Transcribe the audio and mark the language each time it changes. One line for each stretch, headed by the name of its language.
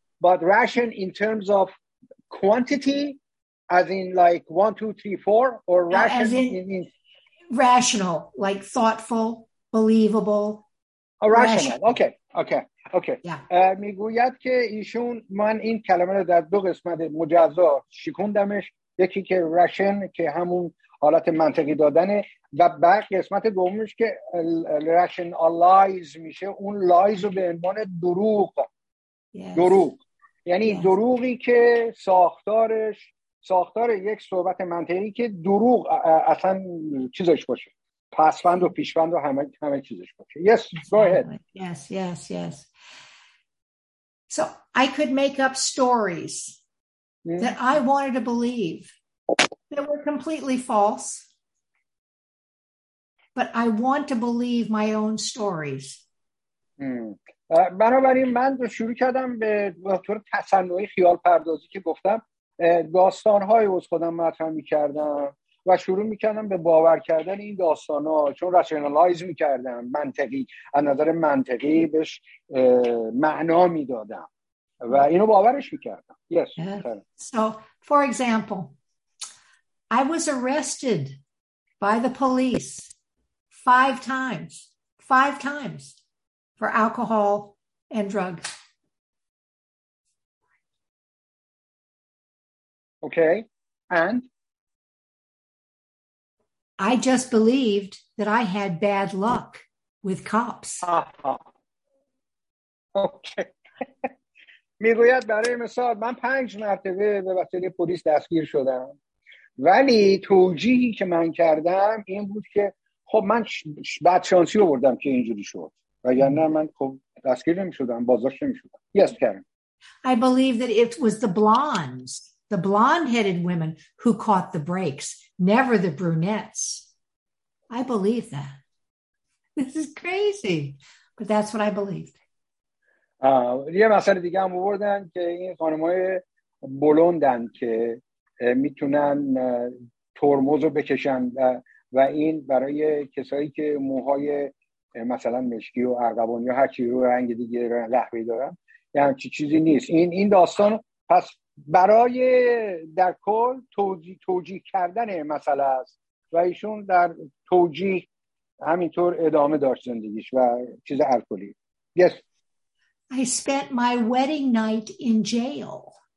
English: But Russian in terms of quantity. As in like 1, 2, 3, 4 or rational? Rational, like thoughtful, believable. Oh, rational. Okay. Yeah.
Persian: میگوید که ایشون من این کلمه رو در دو قسمت مجزا شکوندمش، یکی که ration که همون حالت منطقی دادنه و بعد قسمت دومش که rationalize میشه، اون lies رو به عنوان دروغ.
English: Yes.
Persian: دروغ. یعنی
English: yes.
Persian: دروغی که ساختارش ساختار یک صحبت منطقی که دروغ اصلا چیزش باشه. پسوند و پیشوند و همه چیزش باشه.
English: Yes, go ahead. Yes, yes, yes. So I could make up stories that I wanted to believe that were completely false, but I want to believe my own stories.
Persian: بنابراین من شروع کردم به طور تصنعی خیال پردازی که گفتم داستان‌های از خودم مطرح می‌کردم و شروع می‌کردم به باور کردن این داستان‌ها، چون راشنالایز می‌کردم، منطقی از نظر منطقی بهش معنا می‌دادم و اینو باورش می‌کردم.
English: Yes. So, for example, I was arrested by the police 5 times. 5 times. For alcohol and drugs. Okay, and? I just believed that I had bad luck with cops. Okay.
Persian: می گوید برای مثال من 5 مرتبه به وسیله پلیس دستگیر شدم. ولی توجیهی که من کردم این بود که خب من بدشانسی رو بردم که اینجوری شد. وگرنه من خب دستگیر نمی‌شدم، بازداشت نمی‌شدم.
English: Yes, Karen. I believe that it was the blonde-headed women who caught the breaks, never the brunettes. I believe that. This is crazy, but that's what I believed.
Persian: یه مسئله دیگه هم آوردن که این خانم‌های بلوندن که میتونن ترمز رو بکشن و این برای کسایی که موهای مثلا مشکی و عقبانی و هر چی رو رنگ دیگه قهوه‌ای دارن یا یعنی چه چیزی نیست. این داستان پس برای در کل توجیه کردن مسئله است و ایشون در توجیه همینطور ادامه داشت زندگیش و چیز الکلی.
English: Yes. I spent my wedding night in jail.